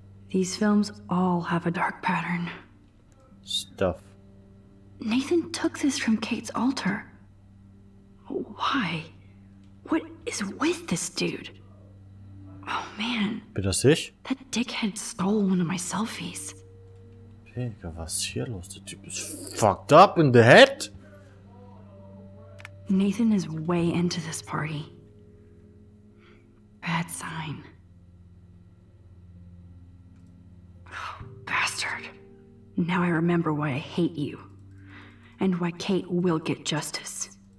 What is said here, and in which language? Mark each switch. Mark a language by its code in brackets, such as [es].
[en] These films all have a dark pattern. Stuff. Nathan took this from Kate's altar. Why? What is with this dude? Oh man. [de] Bin das ich? [en] That dickhead stole one of my selfies. [de] Digga, was ist hier los? Der Typ ist [en] fucked up in the head. Nathan is way into this party. Bad sign. Oh, bastard. Now I remember why I hate you. And why Kate will get justice.